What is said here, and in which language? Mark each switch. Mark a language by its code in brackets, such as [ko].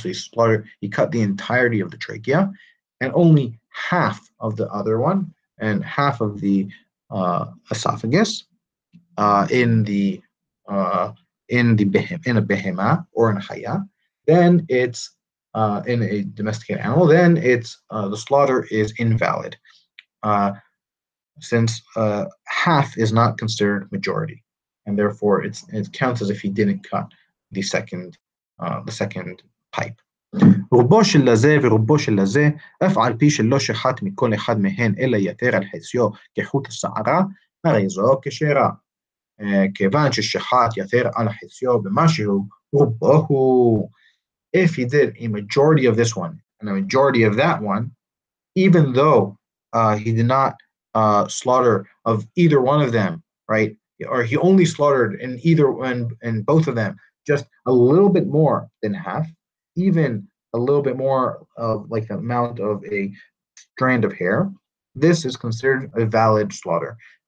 [en] So he cut the entirety of the trachea, and only half of the other one, and half of the esophagus in a behema or in a haya, then it's in a domesticated animal, then it's the slaughter is invalid, since half is not considered majority, and therefore it counts as if he didn't cut the second pipe. [he] רובו של לזה ורובו של לזה, אף על פי שלא שחט מכל אחד מהן, אלא יתר על חציו כחוט השערה, הרי זו כשרה. כיוון ששחט יתר על חציו במשהו, רובו הוא. [en] If he did a majority of this one and a majority of that one, even though he did not slaughter of either one of them, right? Or he only slaughtered in both of them, just a little bit more than half, even a little bit more of like the amount of a strand of hair, this is considered a valid slaughter.